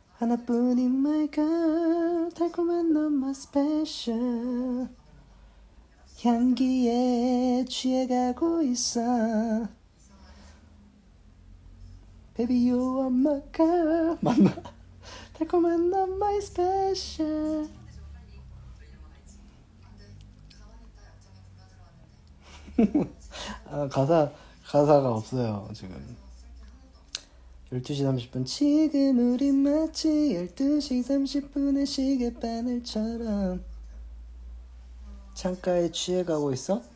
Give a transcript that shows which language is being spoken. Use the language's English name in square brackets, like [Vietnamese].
[Korean] 하나뿐인 my girl 달콤한 너만 special 향기에 취해가고 있어. [English] Baby you are my girl 맞나? [Korean] 달콤한 너만 special. 아, 가사가 없어요 지금. 12시 30분 지금 우리 마치 12시 30분의 시계바늘처럼 창가에 취해가고 있어?